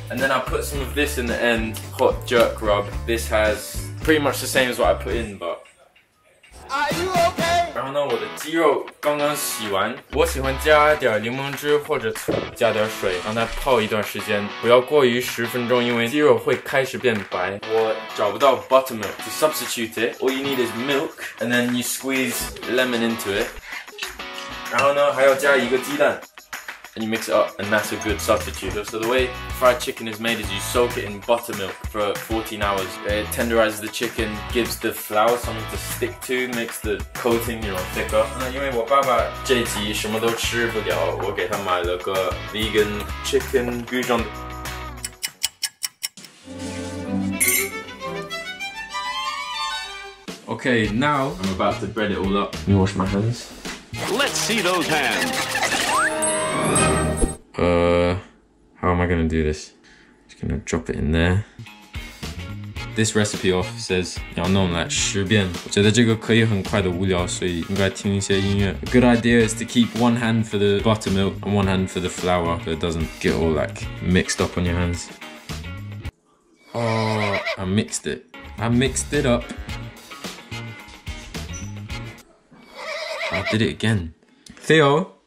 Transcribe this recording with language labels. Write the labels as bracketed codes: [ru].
[en] And then I put some of this in the end, hot jerk rub. This has pretty much the same as what I put in, but. Are you okay? [zh] 然后呢，我的鸡肉刚刚洗完，我喜欢加点柠檬汁或者醋，加点水，让它泡一段时间，不要过于十分钟，因为鸡肉会开始变白。我找不到 [en] buttermilk to substitute it. All you need is milk, and then you squeeze lemon into it. [zh] 然后呢，还要加一个鸡蛋。 [en] And you mix it up, and that's a good substitute. So the way fried chicken is made is you soak it in buttermilk for 14 hours. It tenderizes the chicken, gives the flour something to stick to, makes the coating, you know, thicker. [zh] 那因为我爸爸这集什么都吃不了，我给他买了个 vegan chicken goujon. [en] Okay, now I'm about to bread it all up. Can you wash my hands? Let's see those hands. How am I gonna do this? Just gonna drop it in there. This recipe off says [zh] 要弄来十遍。我觉得这个可以很快的无聊，所以应该听一些音乐。 [en] A good idea is to keep one hand for the buttermilk and one hand for the flour, so it doesn't get all like mixed up on your hands. Oh, I mixed it up. I did it again. Theo,